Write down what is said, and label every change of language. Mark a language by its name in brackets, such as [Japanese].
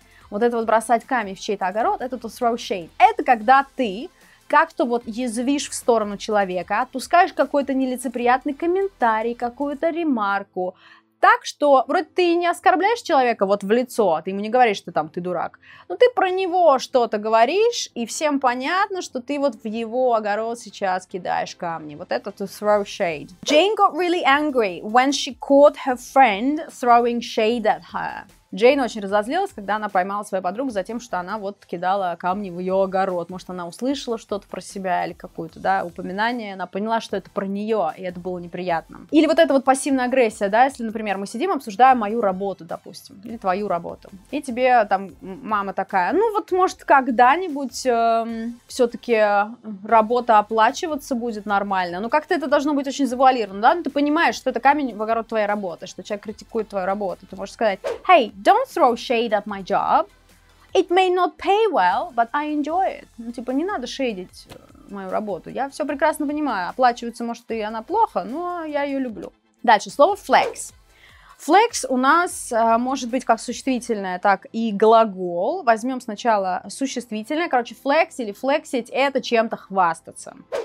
[Russian] Вот это вот бросать камень в чей-то огород, это [English] to throw shade. [Russian] Это когда ты как-то вот язвишь в сторону человека, отпускаешь какой-то нелицеприятный комментарий, какую-то ремарку. Так что вроде ты не оскорбляешь человека вот в лицо, ты ему не говоришь, что там ты дурак. Но ты про него что-то говоришь, и всем понятно, что ты вот в его огород сейчас кидаешь камни. Вот это [English] to throw shade. Jane got really angry when she caught her friend throwing shade at her. [Russian] Джейн очень разозлилась, когда она поймала свою подругу за тем, что она вот кидала камни в ее огород. Может, она услышала что-то про себя или какое-то, да, упоминание. Она поняла, что это про нее, и это было неприятно. Или вот эта вот пассивная агрессия, да, если, например, мы сидим, обсуждаем мою работу, допустим, или твою работу. И тебе там мама такая: «Ну вот, может, когда-нибудь все-таки работа оплачиваться будет нормально». Ну, как-то это должно быть очень завуалировано, да? Но ты понимаешь, что это камень в огород твоей работы, что человек критикует твою работу. Ты можешь сказать: [English] «Hey, don't throw shade at my job. It may not pay well, but I enjoy it». [Russian] Ну, типа, не надо шейдить мою работу. Я все прекрасно понимаю. Оплачивается, может, и она плохо, но я ее люблю. Дальше, слово flex. Flex у нас может быть как существительное, так и глагол. Возьмем сначала существительное. Короче, flex или flexить – это чем-то хвастаться.